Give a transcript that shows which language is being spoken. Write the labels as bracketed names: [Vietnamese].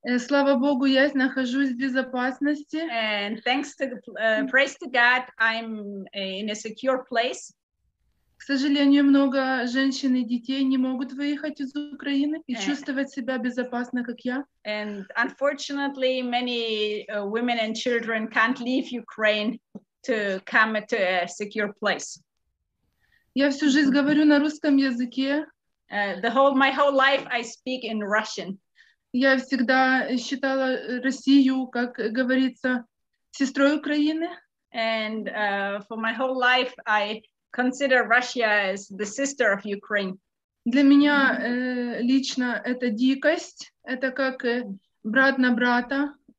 [Russian] Слава Богу, я нахожусь в безопасности. [English] And thanks to praise to God, I'm in a secure place. [Russian] К сожалению, много женщин и детей не могут выехать из Украины и чувствовать себя безопасно, как я. [English] And unfortunately, many women and children can't leave Ukraine to come to a secure place. [Russian] Я всю жизнь говорю на русском языке. [English] My whole life I speak in Russian. [Russian] Я всегда считала Россию, как говорится, сестрой Украины. [English] And for my whole life I consider Russia as the sister of Ukraine. [Russian] Для меня лично это дикость, это как брат на брата.